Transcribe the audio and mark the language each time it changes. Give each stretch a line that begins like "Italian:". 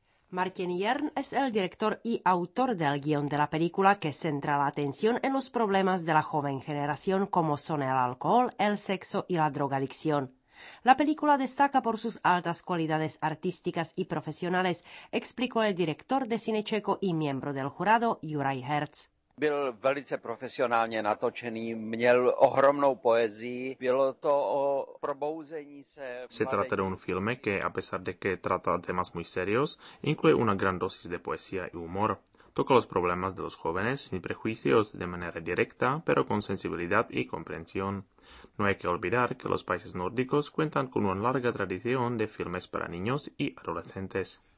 Spanish: Martin Yern es el director y autor del guion de la película que centra la atención en los problemas de la joven generación como son el alcohol, el sexo y la drogadicción. La película destaca por sus altas cualidades artísticas y profesionales, explicó el director de cine checo y miembro del jurado, Juraj Herz.
Czech: Byl velice profesionálně natočený, měl ohromnou poezii, bylo to o probouzení se.
Spanish: Se trata de un filme que, a pesar de que trata temas muy serios, incluye una gran dosis de poesía y humor. Toca los problemas de los jóvenes sin prejuicios, de manera directa, pero con sensibilidad y comprensión. No hay que olvidar que los países nórdicos cuentan con una larga tradición de filmes para niños y adolescentes.